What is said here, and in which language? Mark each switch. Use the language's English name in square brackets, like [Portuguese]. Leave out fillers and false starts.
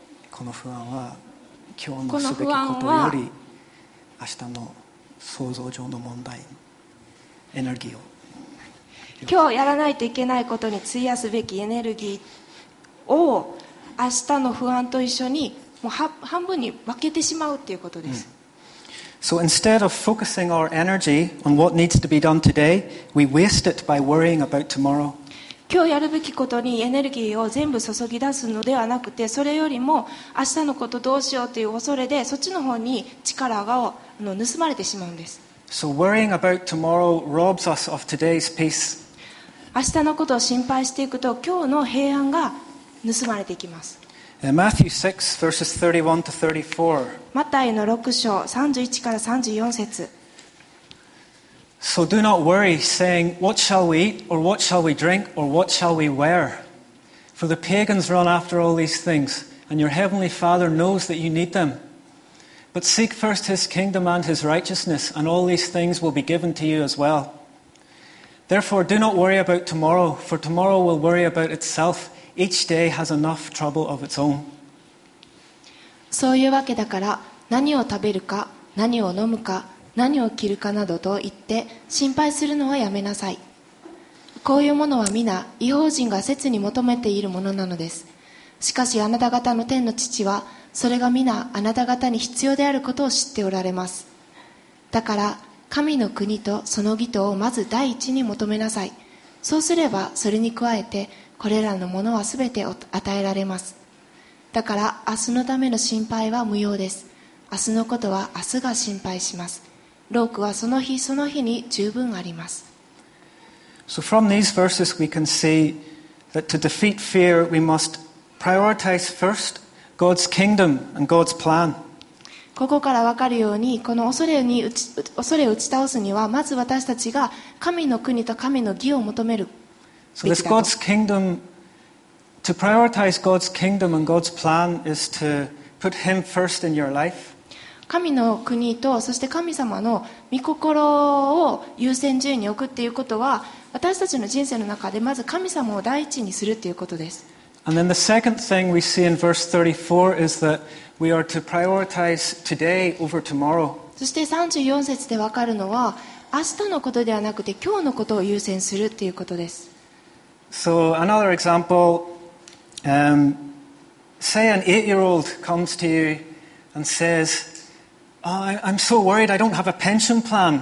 [Japanese] この不安は今日のすべきことより明日の想像上の問題エネルギーを。今日やらないといけないことに費やすべきエネルギーを明日の不安と一緒にもう半分に分けてしまうということです。うん、 [English] So instead of focusing our energy on what needs to be done today, we waste it by worrying about tomorrow. [Japanese] 今日やるべきことにエネルギーを全部注ぎ出すのではなくて、それよりも明日のことどうしようという恐れで、そっちの方に力が盗まれてしまうんです。 [English] So worrying about tomorrow robs us of today's peace. [Japanese] 明日のことを心配していくと、今日の平安が盗まれていきます。 [English] Matthew 6, verses 31 to 34. [Japanese] マタイの6章31から34節。 [English] So do not worry, saying, What shall we eat, or what shall we drink, or what shall we wear? For the pagans run after all these things, and your heavenly Father knows that you need them. But seek first his kingdom and his righteousness, and all these things will be given to you as well. Therefore do not worry about tomorrow, for tomorrow will worry about itself. Each day has enough trouble of its own. [Japanese] そういうわけだから、何を食べるか、何を飲むか、何を着るかなどと言って心配するのはやめなさい。こういうものは皆異邦人が切に求めているものなのです。しかしあなた方の天の父はそれが皆あなた方に必要であることを知っておられます。だから神の国とその義とをまず第一に求めなさい。そうすればそれに加えてこれらのものはすべて与えられます。だから明日のための心配は無用です。明日のことは明日が心配します。ロークはその日その日に十分あります。 [English] So from these verses we can see that to defeat fear we must prioritize first God's kingdom and God's plan. [Japanese] ここから分かるように、この恐れを打ち倒すにはまず私たちが神の国と神の義を求める。 [English] So this God's kingdom, to prioritize God's kingdom and God's plan is to put Him first in your life. [Japanese] 神の国とそして神様の御心を優先順位に置くっていうことは、私たちの人生の中でまず神様を第一にするっていうことです。 [English] And then the second thing we see in verse 34 is that we are to prioritize today over tomorrow. [Japanese] そして34節でわかるのは、明日のことではなくて今日のことを優先するっていうことです。 [English] So another example, Say an 8-year-old comes to you and says, oh, I'm so worried I don't have a pension plan.